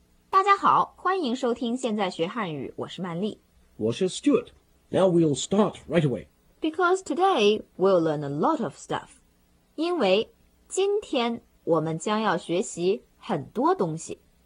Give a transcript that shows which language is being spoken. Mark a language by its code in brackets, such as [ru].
[zh] 大家好，欢迎收听现在学汉语，我是曼丽。我是 [en] Stuart. Now we'll start right away. Because today we'll learn a lot of stuff. [zh] 因为今天我们将要学习很多东西。